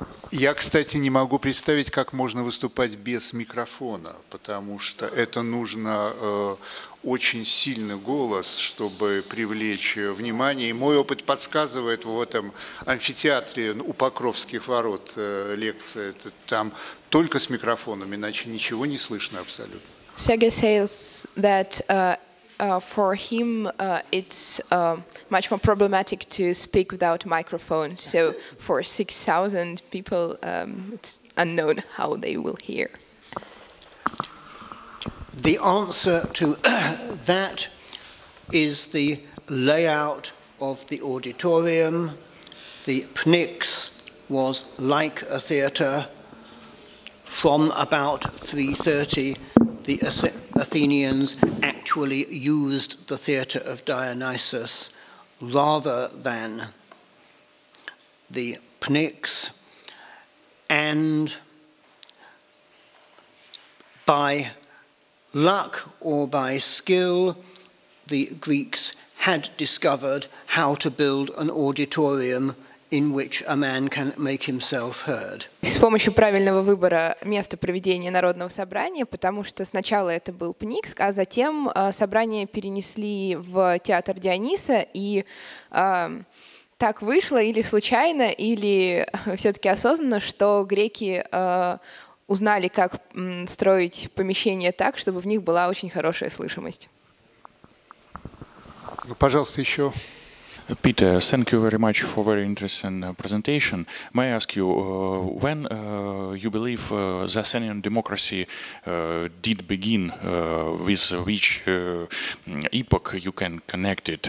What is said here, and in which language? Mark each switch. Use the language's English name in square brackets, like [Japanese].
[Russian] Я, кстати, не могу представить, как можно выступать без микрофона, потому что это нужно очень сильный голос, чтобы привлечь внимание. И мой опыт подсказывает, в этом амфитеатре у Покровских ворот лекция, это там только с микрофоном, иначе ничего не слышно абсолютно. [English] Сергей says that for him it's much more problematic to speak without microphone, so for 6,000 people it's unknown how they will hear. The answer to that is the layout of the auditorium. The PNIX was like a theater. From about 3:30, the Athenians actually used the theater of Dionysus rather than the PNIX, and by luck or by skill, the Greeks had discovered how to build an auditorium in which a man can make himself heard. [Russian] С помощью правильного выбора места проведения народного собрания, потому что сначала это был ПНИКС, а затем собрание перенесли в театр Диониса, и так вышло или случайно, или все-таки осознанно, что греки узнали, как строить помещение так, чтобы в них была очень хорошая слышимость. Ну, пожалуйста, еще. [English] Peter, thank you very much for very interesting presentation. May I ask you, when you believe the Athenian democracy did begin, with which epoch you can connect it?